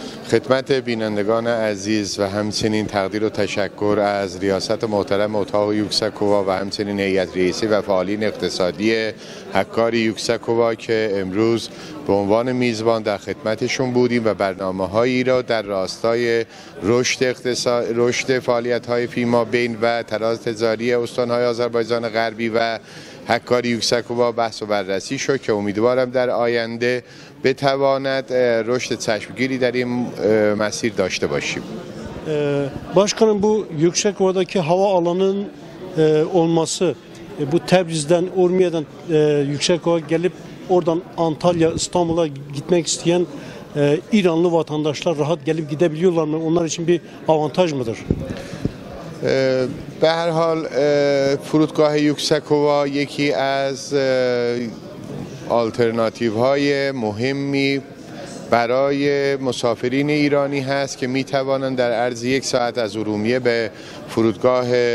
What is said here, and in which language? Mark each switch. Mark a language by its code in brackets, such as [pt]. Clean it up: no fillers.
[fa] خدمت بینندگان عزیز و همچنین تقدیر و تشکر از ریاست محترم اتاق یوکسکووا و همچنین هیئت رئیسی و فعالین اقتصادی حکار یوکسکووا که امروز به عنوان میزبان در خدمتشون بودیم و برنامه هایی را در راستای رشد اقتصاد رشد فعالیت های فیما بین و تراز تجاری استان های آذربایجان غربی و حکار یوکسکووا بحث و بررسی شد که امیدوارم در آینده بتواند رشد چشمگیری در این مسیر داشته باشیم. [tr] Başkanım bu yüksek ovadaki hava alanının olması bu Tebriz'den Urmiye'den yüksek ova gelip oradan Antalya İstanbul'a gitmek isteyen İranlı vatandaşlar rahat gelip gidebiliyorlar mı? Onlar için bir avantaj mıdır? [fa] Be her hal فرودگاه yüksek ova یکی از آلترناتیو های مهمی برای مسافرین ایرانی هست که می توانند در عرض یک ساعت از ارومیه به فرودگاه